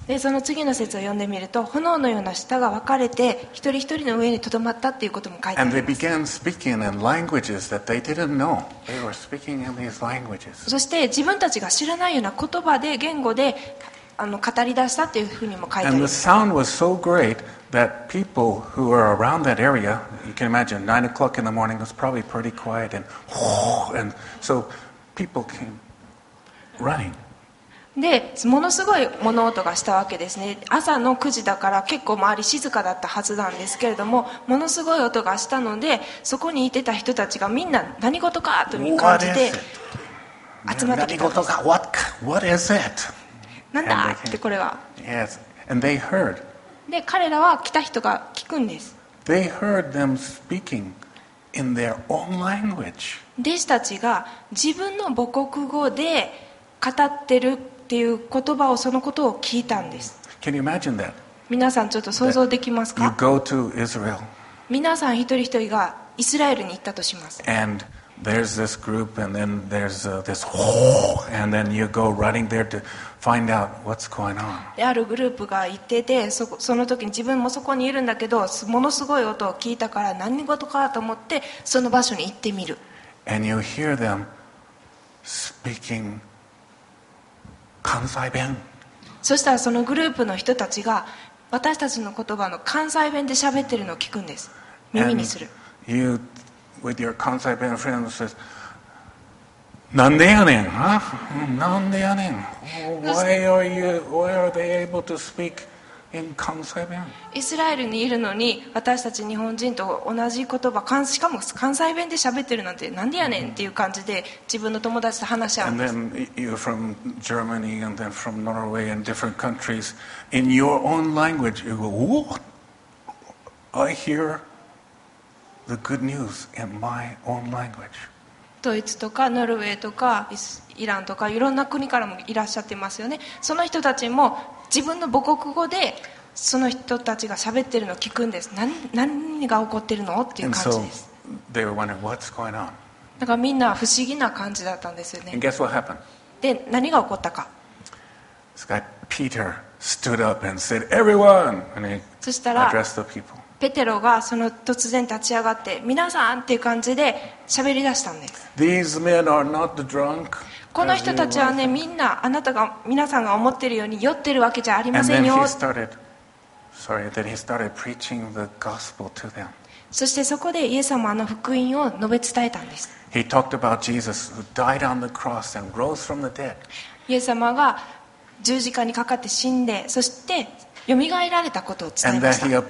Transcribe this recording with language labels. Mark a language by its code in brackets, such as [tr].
[ja] で、その次の節を読んでみると、炎のような舌が分かれて、一人一人の上にとどまったっていうことも書いてあります。 [en] And they began speaking in languages that they didn't know. They were speaking in these languages. [ja] そして、自分たちが知らないような言葉で、言語で、あの語り出したというふうにも書いてあります。 [en] The sound was so great that people who were around that area, you can imagine, 9 o'clock in the morning was probably pretty quiet, and so people came running. [ja] で、ものすごい物音がしたわけですね。朝の9時だから結構周り静かだったはずなんですけれども、ものすごい音がしたので、そこにいてた人たちがみんな何事かと感じて集まってきたんです。何事か [en] What is it? [ja] なんだってこれは。 [en] Yes, and they heard. [ja] で、彼らは来た人が聞くんです。 [en] They heard them speaking in their own language. [ja] 弟子たちが自分の母国語で語ってるっていう言葉をそのことを聞いたんです。 [en] Can you imagine that? [ja] 皆さんちょっと想像できますか? [en] You go to Israel. [ja] 皆さん一人一人がイスラエルに行ったとします。 [en] And there's this group, and then there's this, and then you go running there to. Find out what's going on. [ja] であるグループがいてて その時に自分もそこにいるんだけどものすごい音を聞いたから何事かと思ってその場所に行ってみる [en] And you hear them speaking 関西弁 [ja] そしたらそのグループの人たちが私たちの言葉の関西弁で喋ってるのを聞くんです。耳にする。 [en] And、you with your 関西弁 friend says、 [ja] なんでやねん、 [en] huh? [ja] なんでやねん。 [en] Why are you? Why are they able to speak in 関西弁? [ja] イスラエルにいるのに私たち日本人と同じ言葉、しかも関西弁で喋ってるなんてなんでやねんっていう感じで自分の友達と話し合うんです。 [en] And then you're from Germany and then from Norway and different countries in your own language. You go, what? I hear the good news in my own language. [ja] ドイツとかノルウェーとかイランとかいろんな国からもいらっしゃってますよね。その人たちも自分の母国語でその人たちが喋ってるのを聞くんです。何が起こってるのっていう感じです。 [en] And so they were wondering what's going on. [ja] だからみんな不思議な感じだったんですよね。 [en] And guess what happened? [ja] で何が起こったか。 [en] This guy Peter stood up and said everyone and he addressed the people [ja] ペテロがその突然立ち上がって皆さんっていう感じで喋り出したんです。 [en] These men are not drunk, [ja] この人たちはね、みんなあなたが皆さんが思ってるように酔ってるわけじゃありませんよ。 [en] And then he started, then he started preaching the gospel to them. [ja] そしてそこでイエス様の福音を述べ伝えたんです。 [en] He talked about Jesus who died on the cross and rose from the dead. [ja] イエス様が十字架にかかって死んで、そしてよみがえられたことを伝えました。